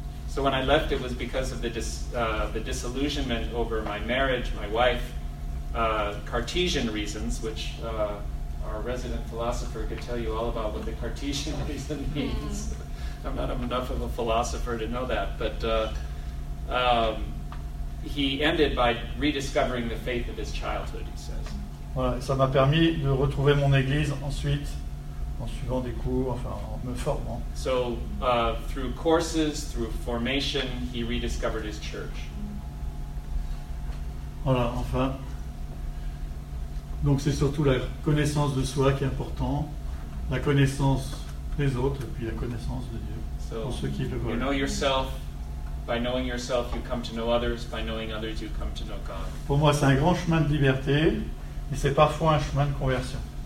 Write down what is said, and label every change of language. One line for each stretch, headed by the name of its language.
English: So when I left, it was because of the disillusionment over my marriage, my wife, Cartesian reasons, which our resident philosopher could tell you all about what the Cartesian reason means. I'm not enough of a philosopher to know that, but he ended by rediscovering the faith of his childhood, he says.
French: Voilà, ça m'a permis de retrouver mon église ensuite, en suivant des cours, enfin, en me formant.
English: So, through courses, through formation, he rediscovered his church.
French: Voilà, enfin. Donc c'est surtout la connaissance de soi qui est importante, la connaissance des autres, et puis la connaissance de Dieu,
English: so,
French: pour ceux qui le veulent.
English: You know yourself. By knowing yourself, you come to know others. By knowing others, you come to know God.
French: Pour moi, c'est un grand chemin de liberté, et c'est parfois un chemin de conversion.